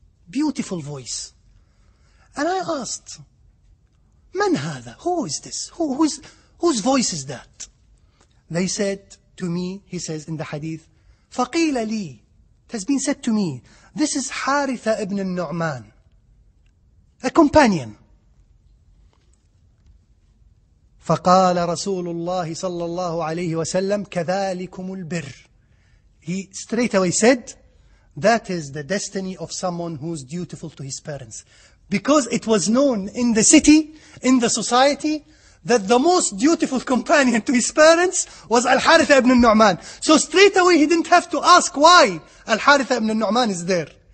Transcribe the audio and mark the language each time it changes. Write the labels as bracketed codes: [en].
[en] Beautiful voice. And I asked, [ar] مَنْ هَذَا? [en] Who is this? Whose voice is that? They said to me, he says in the hadith, [ar] فَقِيلَ لِي. [en] It has been said to me, this is Haritha ibn al-Nu'man, a companion. [ar] فقال رسول الله صلى الله عليه وسلم كذلكم البر. [en] He straight away said, that is the destiny of someone who's dutiful to his parents. Because it was known in the city, in the society, that the most dutiful companion to his parents was Al-Haritha ibn al-Nu'man. So straight away he didn't have to ask why Al-Haritha ibn al-Nu'man is there.